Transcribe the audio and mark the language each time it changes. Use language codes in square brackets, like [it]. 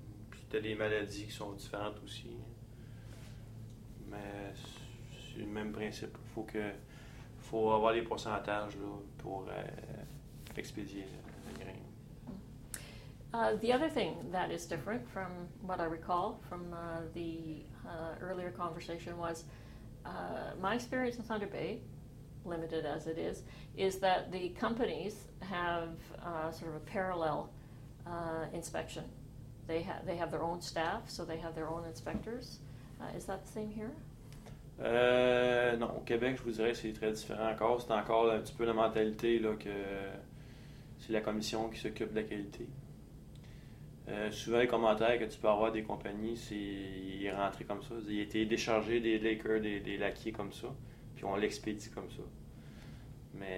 [fr] Puis t'as des maladies qui sont différentes aussi. Mais c'est le même principe. Faut avoir les pourcentages là, pour expédier le grain. [en] The other thing that is different from what I recall from the earlier conversation was my experience in Thunder Bay, limited as it is that the companies have sort of a parallel inspection. They have their own staff, so they have their own inspectors. Is that the same here? [fr] Non, au Québec, je vous dirais que c'est très différent encore. C'est encore un petit peu la mentalité là, que c'est la commission qui s'occupe de la qualité. Souvent, les commentaires que tu peux avoir des compagnies, c'est qu'il est rentré comme ça. Il a été déchargé des Laker, des laquiers comme ça, puis on l'expédie comme ça.